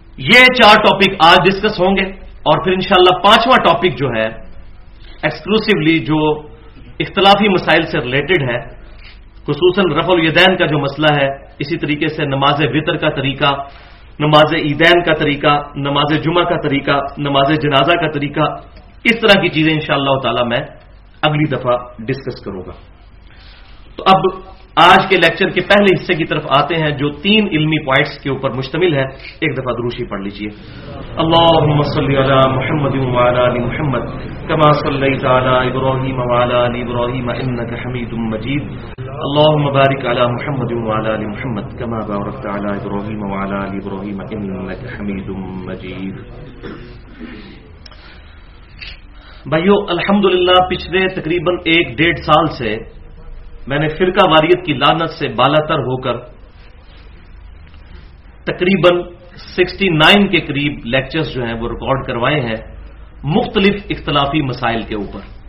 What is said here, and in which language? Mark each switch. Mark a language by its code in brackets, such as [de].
[ur] یہ چار ٹاپک آج ڈسکس ہوں گے, اور پھر انشاءاللہ پانچواں ٹاپک جو ہے ایکسکلوسیولی جو اختلافی مسائل سے ریلیٹڈ ہے, خصوصاً رفع الیدین کا جو مسئلہ ہے, اسی طریقے سے نماز وتر کا طریقہ, نماز عیدین کا طریقہ, نماز جمعہ کا طریقہ, نماز جنازہ کا طریقہ, اس طرح کی چیزیں انشاءاللہ تعالی میں اگلی دفعہ ڈسکس کروں گا. تو اب آج کے لیکچر کے پہلے حصے کی طرف آتے ہیں جو تین علمی پوائنٹس کے اوپر مشتمل ہے. ایک دفعہ دروشی پڑھ لیجئے. [ar] اللہم صلی علی محمد و علی محمد کما صلیت علی ابراہیم و علی ابراہیم انک حمید مجید. اللہم بارک علی محمد و علی محمد کما بارکت علی ابراہیم و علی ابراہیم انک حمید مجید. [ur] بھائیو الحمدللہ پچھلے تقریباً ایک ڈیڑھ سال سے میں نے فرقہ واریت کی لعنت سے بالا تر ہو کر تقریباً 69 کے قریب لیکچرز جو ہیں وہ ریکارڈ کروائے ہیں مختلف اختلافی مسائل کے اوپر.